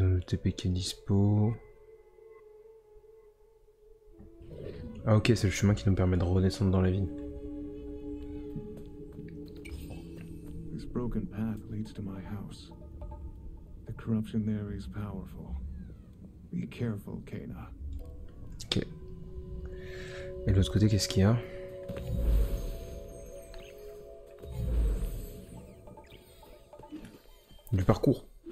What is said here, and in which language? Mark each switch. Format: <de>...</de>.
<fr>TP qui est dispo. Ah ok, c'est le chemin qui nous permet de redescendre dans la ville.</fr> <en>This broken path leads to my house. The corruption there is powerful. Be careful, Kena. Ok.</en> <fr>Et de l'autre côté, qu'est-ce qu'il y a? Du parcours.</fr>